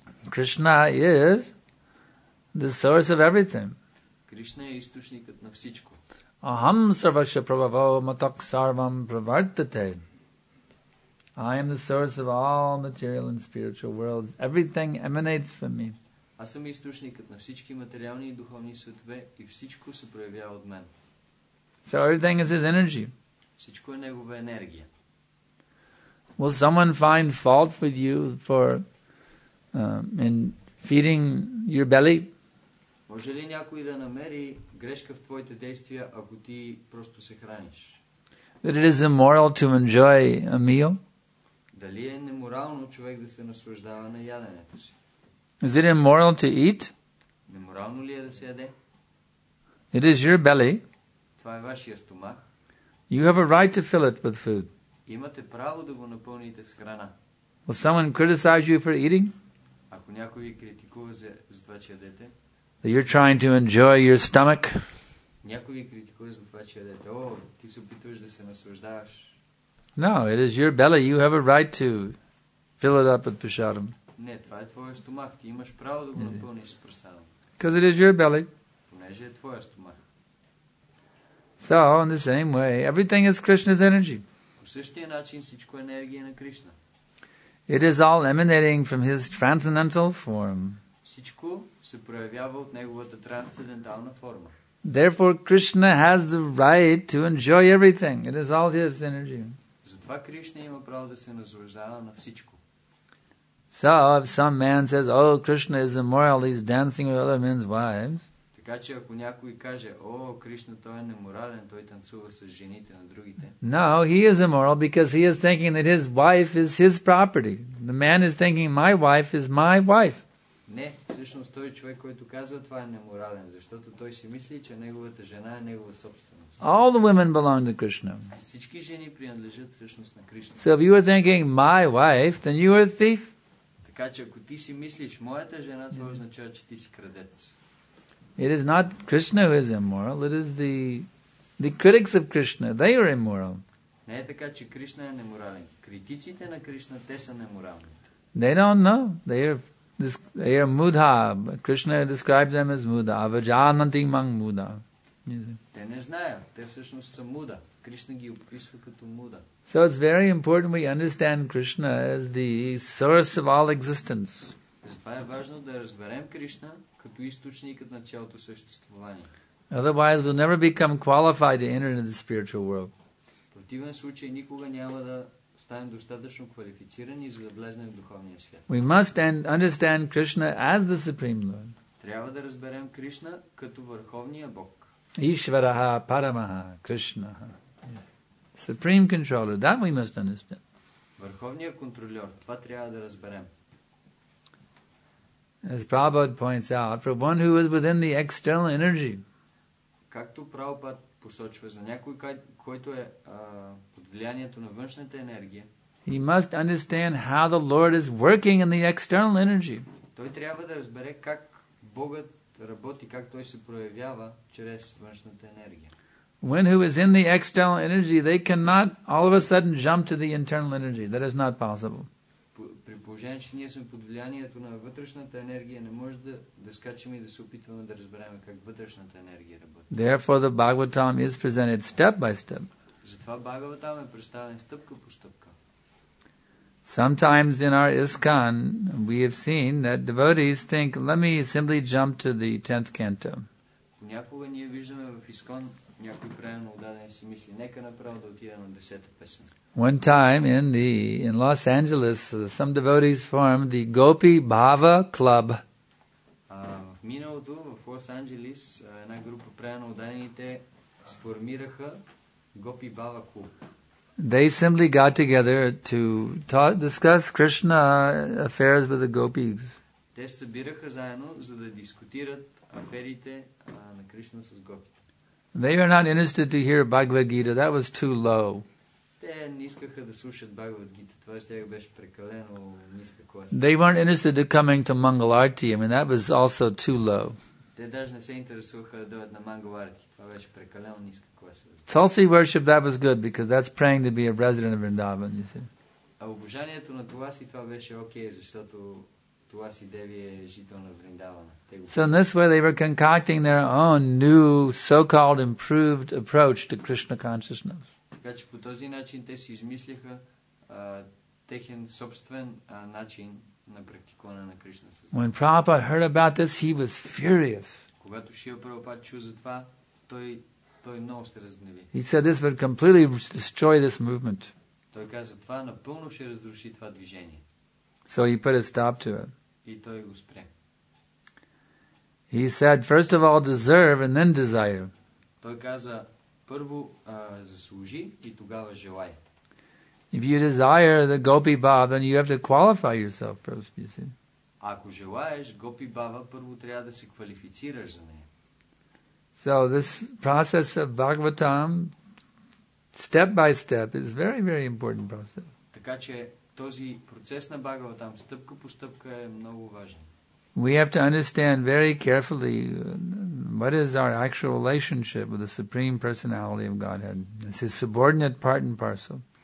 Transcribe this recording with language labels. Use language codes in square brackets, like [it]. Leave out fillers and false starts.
[en] Krishna is the source of everything. [bg] Кришна е източникът на всичко. [sa] Aham sarvasya prabhavo matak sarvam pravartate. [en] I am the source of all material and spiritual worlds. Everything emanates from me. [bg] Аз съм източникът на всички материални и духовни светове и всичко се проявява от мен. [en] So everything is his energy. [bg] Всичко е негова енергия. [en] Will someone find fault with you for in feeding your belly? [bg] Може ли някой да намери грешка в твоите действия, ако ти просто се храниш? [en] That it is immoral to enjoy a meal? [bg] Дали е неморално човек да се наслаждава на яденето си? [en] Is it immoral to eat? [bg] Неморално ли е да се яде? [en] It is your belly. [bg] Това е вашия стомах. [en] You have a right to fill it with food. [bg] Имате право да го напълните с храна. [en] Will someone criticize you for eating? [bg] Ако някой ви критикува за това, че ядете, [en] that you're trying to enjoy your stomach? [bg] Някой ви критикува за това, че ядете. О, ти се опитваш да се наслаждаваш. [en] No, it is your belly. You have a right to fill it up with prasadam. [bg] Не, това е твоя стомах. Ти имаш право да го напълниш с прасадам. [en] Because it is your belly. [bg] Понеже е твоя стомах. [en] So, in the same way, everything is Krishna's energy. [bg] По същия начин всичко е енергия на Кришна. [en] It is all emanating from his transcendental form. [bg] Всичко се проявява от неговата трансцендентална форма. [en] Therefore, Krishna has the right to enjoy everything. It is all his energy. [bg] Затова Кришна има право да се наслаждава на всичко. [en] So, if some man says, oh, Krishna is immoral, he's dancing with other men's wives, [bg] Така че ако някой каже: "О, Кришна, той е неморален, той танцува с жените на другите." [en] No, he is immoral because he is thinking that his wife is his property. The man is thinking, "My wife is my wife." [bg] Не, всъщност той човек, който казва това, е неморален, защото той си мисли, че неговата жена е негова собственост. [en] All the women belong to Krishna. [bg] Всички жени принадлежат всъщност на Кришна. [en] So if you are thinking my wife, then you are a thief. [bg] Така че ако ти си мислиш моята жена, това означава, че ти си крадец. [en] It is not Krishna who is immoral, it is the critics of Krishna, they are immoral. [bg] Не е така, че Кришна е неморален. Критиците на Кришна, те са неморални. [en] They don't know. They are mudha. Krishna describes them as mudha. [sa] Avajananti mang mudha. [bg] Те не знаят. Те всъщност са муда. Кришна ги описва като муда. [en] So it's very important we understand Krishna as the source of all existence. [bg] Затова е важно да разберем Кришна като източникът на цялото съществуване. [en] Otherwise we'll never become qualified to enter into the spiritual world. [bg] В противен случай никога няма да станем достатъчно квалифицирани, за да влезнем в духовния свят. [en] We must understand Krishna as the Supreme Lord. [bg] Трябва да разберем Кришна като върховния Бог. [sa] Ishvaraha Paramaha Krishnaha. [en] Supreme Controller, that we must understand. [bg] Върховния контролер, това трябва да разберем. [en] As Prabhupada points out, for one who is within the external energy. [bg] Както Прабхупада посочва, за някой, който е под влиянието на външната енергия, [en] he must understand how the Lord is working in the external energy. [bg] Той трябва да разбере как Богът работи, как той се проявява чрез външната енергия. [en] One who is in the external energy, they cannot all of a sudden jump to the internal energy. That is not possible. [bg] При положение, че ние сме под влиянието на вътрешната енергия, не може да скачаме и да се опитваме да разбереме как вътрешната енергия работи. [en] Therefore, the Bhagavatam is presented step by step. [bg] Затова Бхагаватам е представен стъпка по стъпка. [en] Sometimes in our ISKCON, we have seen that devotees think, "Let me simply jump to the 10th canto." [bg] Понякога ние виждаме в ISKCON някой правилно отдаден си мисли, нека направо да отида на 10-та песен. [en] One time in Los Angeles, some devotees formed the Gopi Bhava Club. [bg] В миналото в Лос Анджелис една група правилно отдадените сформираха Gopi Bhava Club. [en] They simply got together to discuss Krishna affairs with the gopis. [bg] Те се събираха заедно, за да дискутират аферите на Кришна с гопите. [en] They are not interested to hear Bhagavad Gita. That was too low. [bg] Те не искаха да слушат Bhagavad Gita. Това ще беше прекалено ниска класа. [en] They weren't interested in coming to Mangal Arati. I mean, that was also too low. [bg] Те даже не се интересуваха да дойдат на Mangal Arati. Това беше прекалено ниска класа. [en] Tulsi worship, that was good because that's praying to be a resident of Vrindavan, you see. [bg] А обожанието на Туласи, това беше окей, защото Туласи Деви е жител на Вриндавана. [en] So in this way they were concocting their own new so-called improved approach to Krishna consciousness. [bg] Така че по този начин те си измислиха техен собствен начин на практикуване на Кришна съзнание. [en] When Prabhupada heard about this, he was furious. [bg] Когато Шрила Прабхупада чу за това, той много се разгневи. [en] He said this would completely destroy this movement. [bg] Той каза, това напълно ще разруши това движение. [en] So he put a stop to it. [bg] И той го спря. [en] He said, first of all, deserve and then desire. [bg] Той каза, първо заслужи и тогава желай. [en] If you desire the Gopi Bhava, then you have to qualify yourself first, you see. [bg] Ако желаеш Gopi Bhava, първо трябва да се квалифицираш за нея. [en] So this process of Bhagavatam, step by step, is very, very important process. [bg] Така че този процес на Бхагаватам, стъпка по стъпка, е много важен. [en] We have to understand very carefully what is our actual relationship with the Supreme Personality of Godhead. It's His subordinate part and parcel.